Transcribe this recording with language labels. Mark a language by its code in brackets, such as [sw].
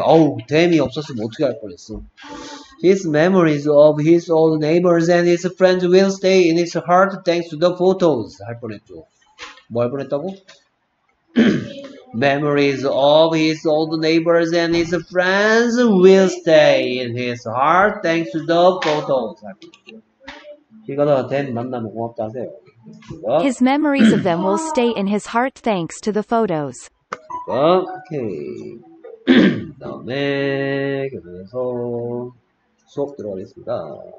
[ko] 어우, 댐이 없었으면 어떻게 할 뻔했어. [en] His memories of his old neighbors and his friends will stay in his heart thanks to the photos. [ko] 할 뻔했죠. 뭐 할 뻔했다고? [en] Memories of his old neighbors and his friends will stay in his heart thanks to the photos. [ko] 이거는 댐 만나면 고맙다 하세요. [en] 어? His memories of them will stay in his heart thanks to the photos. 어? Okay. [ko] 다음에 그래서 수업 들어가겠습니다.